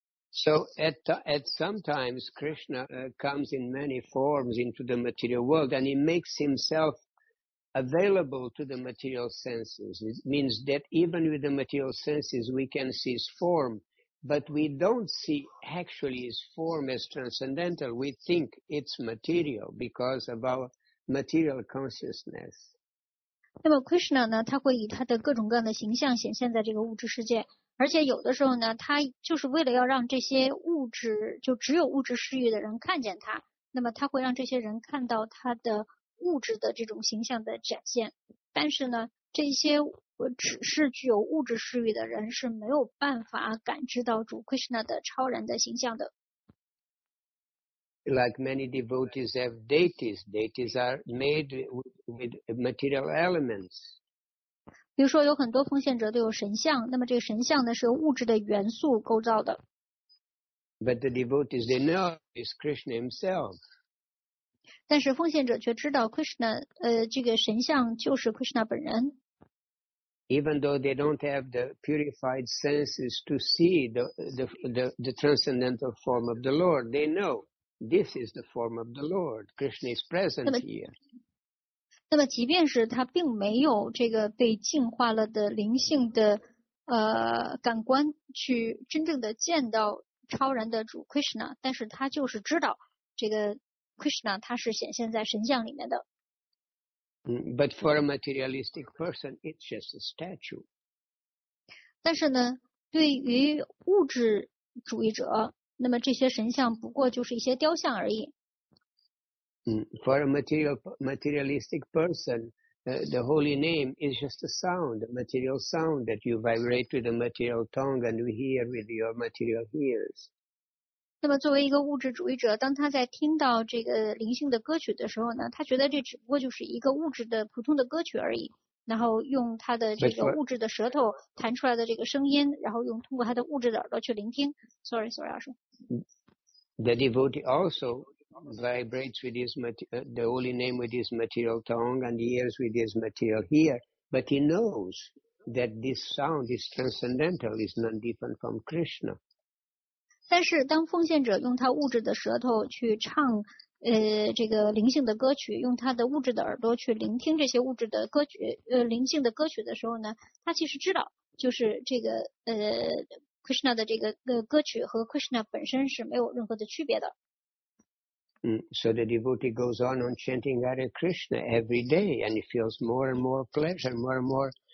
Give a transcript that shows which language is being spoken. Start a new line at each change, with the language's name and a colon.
English: So at sometimes Krishna comes in many forms into the material world and he makes himself available to the material senses. It means that even with the material senses we can see his form, but we don't see actually his form as transcendental. We think it's material because of our material consciousness.
Chinese: 那么 Krishna 呢，他会以他的各种各样的形象显现在这个物质世界，而且有的时候呢，他就是为了要让这些物质，就只有物质嗜欲的人看见他，那么他会让这些人看到他的物质的这种形象的展现。但是呢，这些只是具有物质嗜欲的人是没有办法感知到主 Krishna 的超然的形象的。
English: Like many devotees have deities. Deities are made with material elements.
Chinese: 比如说有很多奉献者都有神像，那么这个神像呢是由物质的元素构造的。
English: But the devotees, they know it's Krishna himself.
Chinese: 但是奉献者却知道 Krishna, 这个神像就是 Krishna 本人。
English: Even though they don't have the purified senses to see the transcendental form of the Lord, they know. This is the form of the Lord. Krishna is present here.
Chinese: 那么即便是他并没有这个被净化了的灵性的感官去真正的见到超然的主 Krishna, 但是他就是知道这个 Krishna 他是显现在神像里面的。
English: But for a materialistic person, it's just a statue.
Chinese: 但是呢，对于物质主义者，那么这些神像不过就是一些雕像而已。
English: For a materialistic person, the holy name is just a sound, a material sound that you vibrate with a material tongue and you hear with your material ears.
Chinese: 那么作为一个物质主义者，当他在听到这个灵性的歌曲的时候呢，他觉得这只不过就是一个物质的普通的歌曲而已。然后用他的这个物质的舌头弹出来的这个声音，然后用通过他的物质的耳朵去聆听。
English: Sorry,
Chinese: 老师。
English: The devotee also vibrates with his the holy name with his material tongue and ears with his material ear, but he knows that this sound is transcendental, is not different from Krishna.
Chinese: 但是当奉献者用他物质的舌头去唱。这个灵性的歌曲，用他的物质的耳朵去聆听这些物质的歌曲，灵性的歌曲的时候呢，他其实知道，就是这个Krishna 的这个歌曲和 Krishna 本身是没有任何的区别的。
English: So the devotee goes on chanting Hare Krishna every day, and he feels more and more pleasure, more and more